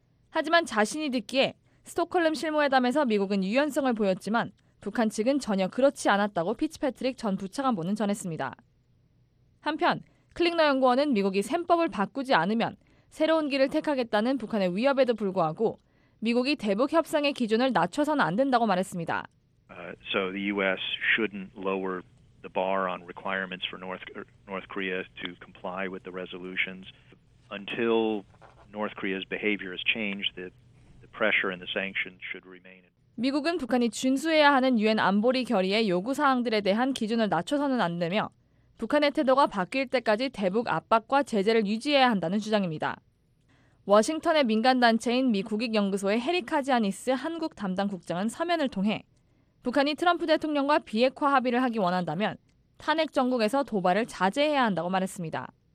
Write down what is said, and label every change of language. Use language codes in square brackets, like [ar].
[ko] 하지만 자신이 듣기에 스톡홀름 실무회담에서 미국은 유연성을 보였지만 북한 측은 전혀 그렇지 않았다고 피츠패트릭 전 부차관보는 전했습니다. 한편 클릭너 연구원은 미국이 셈법을 바꾸지 않으면 새로운 길을 택하겠다는 북한의 위협에도 불구하고 미국이 대북 협상의 기준을 낮춰선 안 된다고 말했습니다. [en] So the US shouldn't lower the bar on requirements for North Korea to comply with the resolutions until North Korea's behavior has changed the pressure and the sanctions should remain. [ko] 미국은 북한이 준수해야 하는 유엔 안보리 결의의 요구 사항들에 대한 기준을 낮춰서는 안 되며 북한의 태도가 바뀔 때까지 대북 압박과 제재를 유지해야 한다는 주장입니다. 워싱턴의 민간단체인 미 국익연구소의 해리 카지아니스 한국 담당 국장은 서면을 통해 북한이 트럼프 대통령과 비핵화 합의를 하기 원한다면 탄핵 정국에서 도발을 자제해야 한다고 말했습니다.